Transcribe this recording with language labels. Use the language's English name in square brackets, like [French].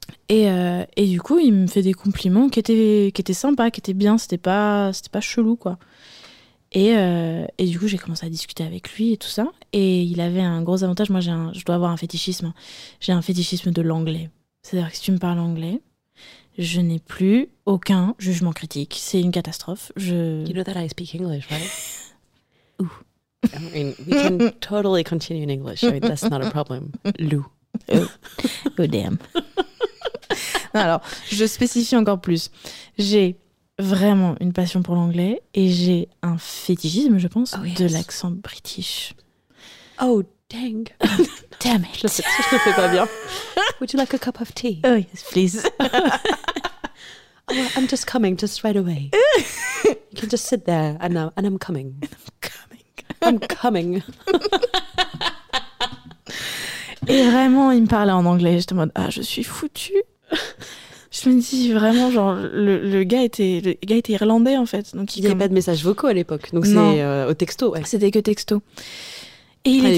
[French] Et du coup, il me fait des compliments qui étaient sympas, qui étaient bien, c'était pas chelou, quoi. Et du coup, j'ai commencé à discuter avec lui et tout ça. Et il avait un gros avantage, moi je dois avoir un fétichisme. J'ai un fétichisme de l'anglais. C'est-à-dire que si tu me parles anglais, je n'ai plus aucun jugement critique. C'est une catastrophe. [English] You know that I speak English, right? Ouh. I mean, we can totally continue in English. I mean, that's not a problem. Lou. Oh. Oh, damn. [French] Non, alors, je spécifie encore plus. J'ai vraiment une passion pour l'anglais et j'ai un fétichisme, je pense, [English] oh, yes. [French] De l'accent british. [English] Oh, dang. Damn it. [French] Je le fais pas bien. [English] Would you like a cup of tea? Oh, yes, please. Oh, I'm just coming, just right away. You can just sit there, and I'm coming. I'm coming. [French] Et vraiment, il me parlait en anglais. J'étais en mode, je suis foutue. Je me dis vraiment, genre, le gars était irlandais, en fait. Donc il n'y avait pas de messages vocaux à l'époque. Donc non. C'est au texto, ouais. C'était que texto. Et il à était...